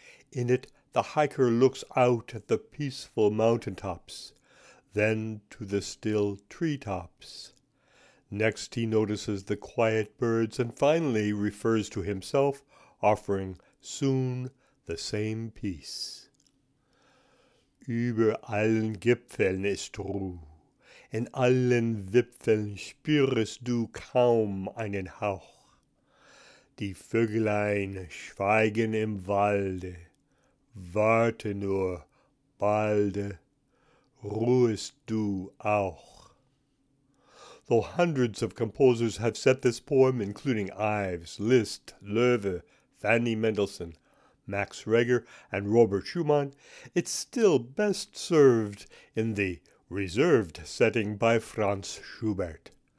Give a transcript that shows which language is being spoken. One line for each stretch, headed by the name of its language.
English: In it, the hiker looks out at the peaceful mountaintops, then to the still treetops. Next he notices the quiet birds and finally refers to himself, offering soon the same peace.
German: Über allen Gipfeln ist Ruh, in allen Wipfeln spürest du kaum einen Hauch. Die Vögelein schweigen im Walde, warte nur, balde, ruhest du auch.
English: Though hundreds of composers have set this poem, including Ives, Liszt, Loewe, Fanny Mendelssohn, Max Reger, and Robert Schumann, it's still best served in the reserved setting by Franz Schubert.